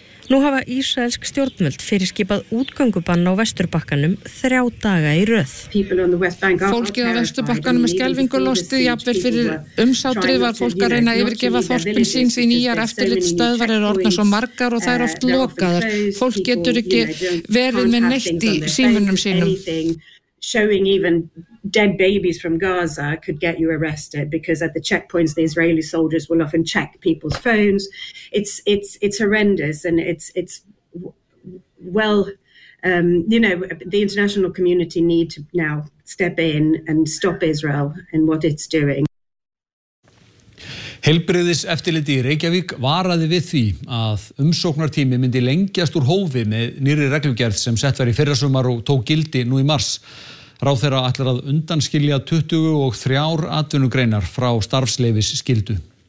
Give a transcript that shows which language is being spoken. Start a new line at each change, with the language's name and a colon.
Icelandic: Nú hafa ísraelsk stjórnvöld fyrir skipað útgöngubann á Vesturbakkanum 3 daga í röð. Fólkið á Vesturbakkanum með skelfingu losti, jafnvel fyrir umsátrið var fólk að reyna yfirgefa þorpin síns í nýjar eftirlitsstöðvar er orðna svo margar og það er oft lokaðar. Fólk getur ekki verið með neitt í símunum sínum.
English: Showing even dead babies from Gaza could get you arrested because at the checkpoints the Israeli soldiers will often check people's phones. It's horrendous and it's well you know the international community need to now step in and stop Israel and what it's doing.
Icelandic: Heilbrigðis eftirliti í Reykjavík varaði við því að umsóknartími myndi lengjast úr hófi með nýrri reglugerð sem sett var í fyrrasumar og tók gildi nú í mars. Ráðherra ætlar að undanskilja 23 atvinnugreinar frá starfsleyfis skyldu.